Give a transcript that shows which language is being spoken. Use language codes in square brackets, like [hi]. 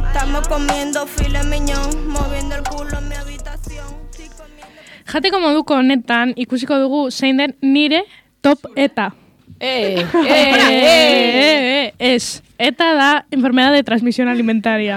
[es] Estamos comiendo filet mignon. Moviendo el culo en mi habitación. [eu] Jateko moduko honetan ikusiko dugu zein den nire top eta. Es. Eta da [es] enfermedad de transmisión alimentaria.